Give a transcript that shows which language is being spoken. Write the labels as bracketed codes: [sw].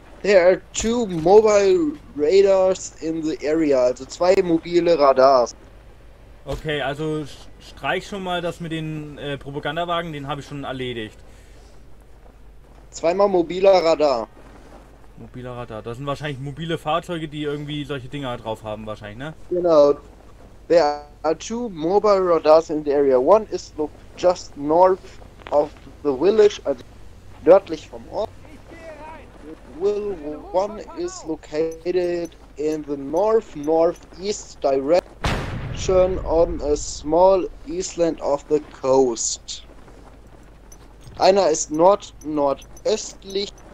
[en] There are two mobile radars in the area, [de] also zwei mobile Radars. Okay, also streich schon mal das mit den Propagandawagen, den habe ich schon erledigt. Zweimal mobiler Radar. Mobiler Radar, das sind wahrscheinlich mobile Fahrzeuge, die irgendwie solche Dinger drauf haben wahrscheinlich, ne? Genau. [en] There are two mobile radars in the area. One is just north of the village, [de] also nördlich vom Ort. [en] One is located in the north-northeast direction on a small island off the coast. [de] Einer ist nord-nordöstlich.